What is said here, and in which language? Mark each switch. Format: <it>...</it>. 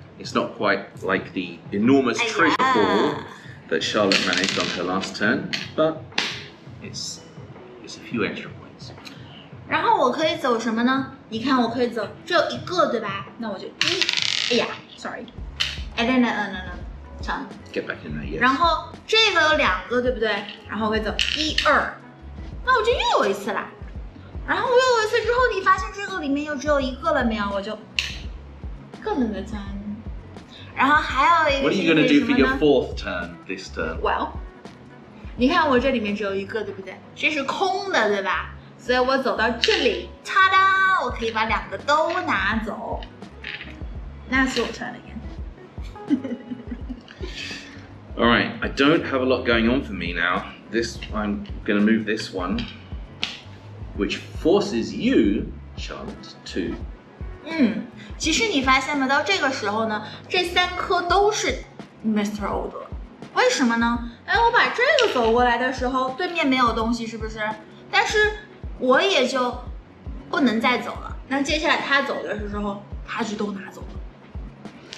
<en>It's not quite like the enormous treasure haul that Charlotte managed on her last turn, but it's a few extra points.</en> <zh>然后我可以走什么呢？你看，我可以走只有一个，对吧？那我就一，哎呀 ，sorry， 哎，等等等等等，长。</zh> <en>Get back in there. Yes.</en> <zh>然后这个有两个，对不对？然后我可以走一二，那我就又有一次啦。然后我又有一次之后，你发现这个里面又只有一个了没有？我就更冷的钻。然后还有一个</zh> <en>What are you going to do for your fourth turn this turn?</en> <zh>Well, 你看我这里面只有一个对不对这是空的对吧所以我走到这里啪嗒我可以把两个都拿走</zh> <en>That's your turn again Alright, I don't have a lot going on for me now This, I'm going to move this one Which forces you, Charlotte, to</en> <zh>其实你发现吗到这个时候呢这三颗都是 Mr. Older 为什么呢哎，我把这个走过来的时候对面没有东西是不是但是我也就不能再走了那接下来他走的时候他就都拿走了</zh>